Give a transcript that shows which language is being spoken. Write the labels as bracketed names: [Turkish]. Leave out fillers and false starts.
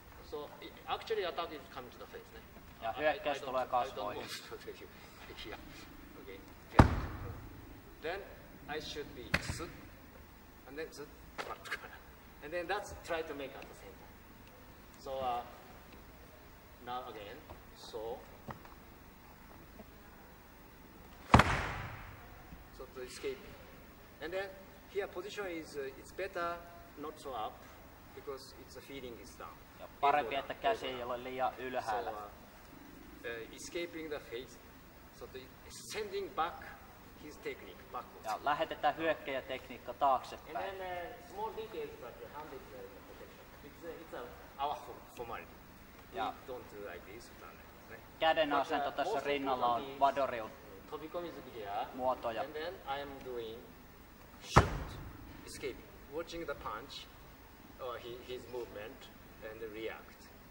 [English] So actually, attack is coming to the face. [Finnish] Yeah, hyökkäys tulee kasvoihin. [English] Okay. Then I should be zut, and then zut, and then that's try to make at the same time. So. Now again, so to escape, and then here position is it's better not so up because it's a feeling is down. [Finnish] Ja parempi, että käsi ei ole liian ylhäällä. [English] Escaping the face, so to sending back his technique backwards. [Finnish] Ja lähetetään hyökkäjä tekniikka taaksepäin. [English] And then small details about the hand is protection. It's our formality. [Finnish] Ja [English] don't do like this, [Finnish] käden asento tässä rinnalla on Vadoriun muotoja. [English] And then I am doing shoot, escape, watching the punch, or his movement, and react.